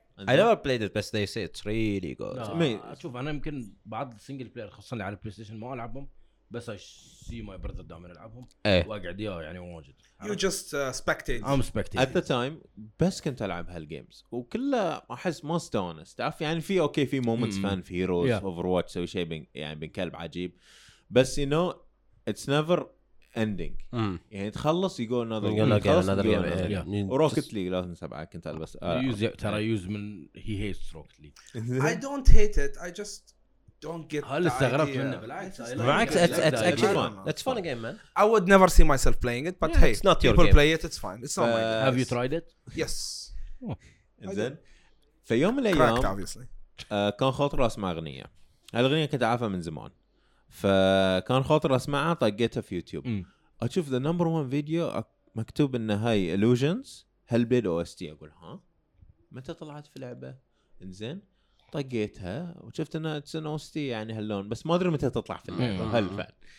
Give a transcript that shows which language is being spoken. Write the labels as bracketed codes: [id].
[en] I never played it, but they say it's really good. [ar] No, شوف أنا يمكن بعض single player خصوصاً على البلاي ستيشن ما ألعبهم بس [en] I see my brother [ar] دامين ألعبهم وأقعد ياه يعني موجود. [en] You just spectating. I'm spectating. At the time, [ar] بس كنت ألعب هالgames وكله أحس ما استأنس. تعرف يعني في أوكي في moments fan في heroes Overwatch سوي شيء بين يعني بين كلب عجيب بس [en] you know it's never ending. [ar] يعني تخلص يجو [en] another game. [ar] Rocket League لازم سبعه كنت البس. ترى يوز من [en] he hates Rocket League. I don't hate it. I just don't get. [ar] هل استغربت منه بالعكس؟ بالعكس [en] it's actually fun. It's fun game man. I would never see myself playing it, but hey, people play it. It's fine. It's not my game. Have you tried it? Yes. And then [ar] في يوم من الأيام كان خاطر أسمع أغنية. الأغنية كنت عارفها من زمان. فكان خاطر اسمعها طقيتها في يوتيوب اشوف ذا نمبر 1 فيديو مكتوب ان هاي illusions Hellblade OST اقول ها متى طلعت في لعبه انزين طقيتها وشفت انها [en] it's in OST [ar] يعني هاللون بس ما ادري متى تطلع في اللعبه هالفعل